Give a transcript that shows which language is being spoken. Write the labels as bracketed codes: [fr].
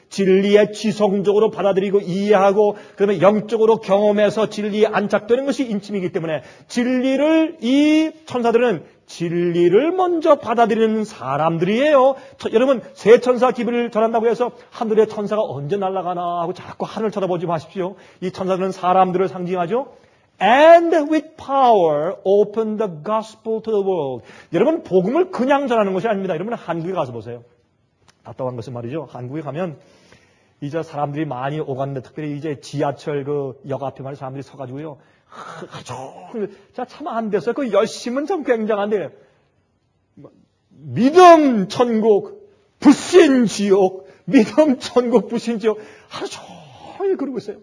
[ko] 진리에 지성적으로 받아들이고 이해하고 그다음에 영적으로 경험해서 진리에 안착되는 것이 인침이기 때문에 진리를 이 천사들은 진리를 먼저 받아들이는 사람들이에요. 여러분 새 천사 기별을 전한다고 해서 하늘의 천사가 언제 날아가나 하고 자꾸 하늘을 쳐다보지 마십시오. 이 천사들은 사람들을 상징하죠. [en] And with power, open the gospel to the world. [ko] 여러분 복음을 그냥 전하는 것이 아닙니다. 여러분 한국에 가서 보세요. 답답한 것은 말이죠. 한국에 가면 이제 사람들이 많이 오갔는데 특별히 이제 지하철 그 역 앞에만 사람들이 서가지고요. 아주 참 안 됐어요. 그 열심은 참 굉장한데 믿음 천국 불신 지옥 믿음 천국 불신 지옥 하루 종일 그러고 있어요.